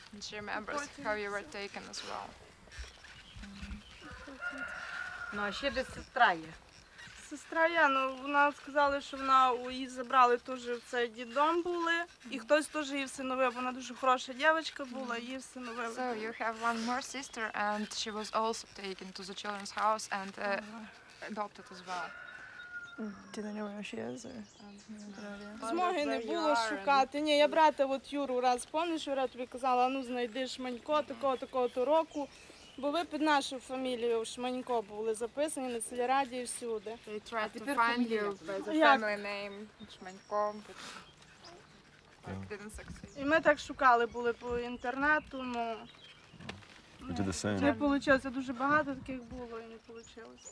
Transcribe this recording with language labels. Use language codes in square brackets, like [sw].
[en] She remembers how you were taken as well. [uk] Ну, а ще де сестра є? Сестра є, ну, вона сказала, що вона її забрали теж в цей дідом були. І хтось теж її всиновив, вона дуже хороша дівчинка була, її всиновили. [en] So, you have one more sister, and she was also taken to the children's house and adopted as well. Do they know where she is? [uk] Змоги не було шукати. Ні, я брата от Юру раз, помниш, я тобі казала, ну, знайди шманько такого-то року. Бо ви під нашу фамілію Шманько були записані на сільраді і всюди. [en] They tried to find you by the family name Шманько, but didn't succeed. [uk] І ми так шукали були по інтернету, ну. Не вийшло, дуже багато таких було і не вийшло.